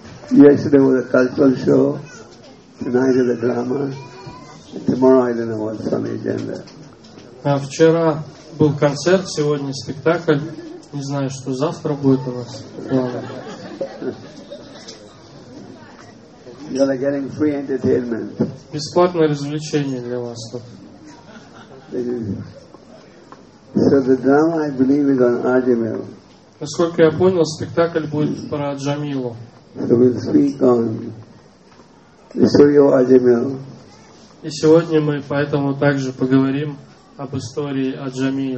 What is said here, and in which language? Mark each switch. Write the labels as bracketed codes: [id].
[ru] Если будет [en] cultural show, tonight the drama, tomorrow I don't know what's on the agenda. [ru] А вчера был концерт, сегодня спектакль. Не знаю, что завтра будет у вас. [en] You're getting free entertainment. [ru] Бесплатное развлечение для вас тут. [en] So the drama, I believe, is on Ajamil. [ru] Насколько я понял, спектакль будет про Джамилу. [en] So we'll speak on the story of Ajamil. [ru] И сегодня мы поэтому также поговорим об истории о Джамиле.